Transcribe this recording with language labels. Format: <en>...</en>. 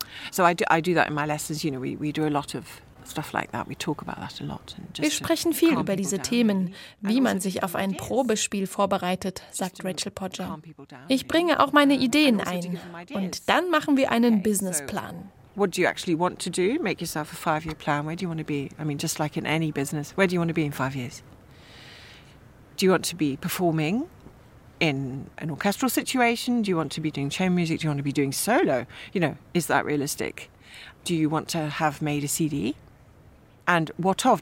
<en>So I do that in my lessons, you know, we do a lot of stuff like that, we talk about that a lot.</en> <de>Wir sprechen viel über diese Themen, wie man sich auf ein Probespiel vorbereitet, sagt Rachel Podger. Ich bringe auch meine Ideen ein und dann machen wir einen Businessplan.</de> <en>What do you actually want to do? Make yourself a 5-year plan. Where do you want to be? I mean, just like in any business, where do you want to be in 5 years? Do you want to be performing in an orchestral situation? Do you want to be doing chamber music? Do you want to be doing solo? You know, is that realistic? Do you want to have made a CD? And what of?</en>